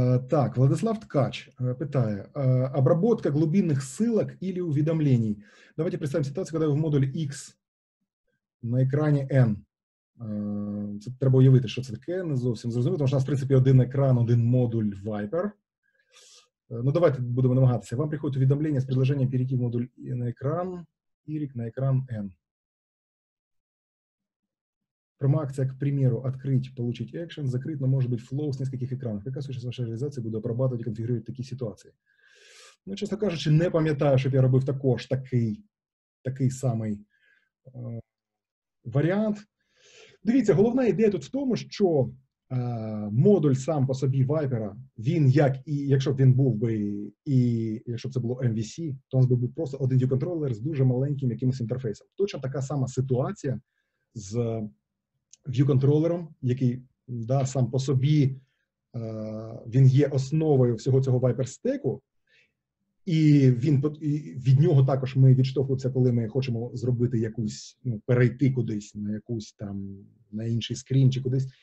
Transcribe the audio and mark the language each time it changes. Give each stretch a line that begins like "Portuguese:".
Russian: Так, Владислав Ткач питає, обработка глубинных ссылок или уведомлений? Давайте представим ситуацию, когда вы в модуле X на экране N.
Ukrainian: Це треба уявити, що це таке, не зовсім зрозуміло, тому що у нас, в принципі, один екран, один модуль Viper. Ну, давайте будемо намагатися. Вам приходить уведомлення з предложенням перейти в модуль на екран Y на екран N.
Russian: Прямая акция, к примеру, открыть, получить action, закрыть, но может быть flow с нескольких экранов. Какая сейчас ваша реализация будет обрабатывать и конфигурировать такие ситуации? Ну, честно кажучи, не помню, чтобы я робив також такий самий вариант.
Ukrainian: Дивіться, головна ідея тут в тому, що модуль сам по собі вайпера, він як і, якщо б він був би, і якщо б це було MVC, то у нас би був просто один view-контроллер з дуже маленьким якимось інтерфейсом. Точно така сама ситуація з view-контролером, який, да, сам по собі, він є основою всього цього вайпер-стеку, і він, від нього також ми відштовхуємося, коли ми хочемо зробити якусь, ну, перейти кудись на якусь там, на інший скрін чи кудись.